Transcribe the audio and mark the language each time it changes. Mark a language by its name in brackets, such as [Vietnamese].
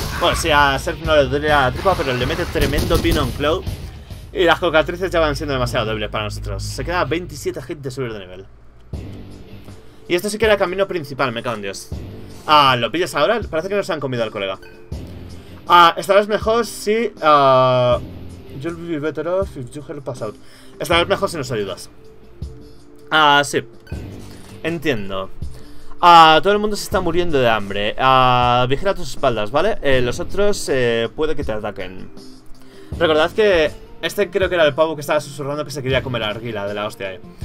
[Spanish] Bueno, sí, a Serf no le duele la tripa, pero le mete tremendo Pinon Claw. Y las cocatrices ya van siendo demasiado débiles para nosotros. Se queda 27 hits de subir de nivel. Y esto sí que era camino principal, me cago en Dios. ¿Lo pillas ahora? Parece que nos han comido al colega. Estarás mejor si... [English] You'll be better off if you help us out. [Spanish] Estarás mejor si nos ayudas. Sí. Entiendo. Todo el mundo se está muriendo de hambre. Vigila tus espaldas, ¿vale? Los otros puede que te ataquen. Recordad que... Este creo que era el pavo que estaba susurrando que se quería comer a Argila de la hostia.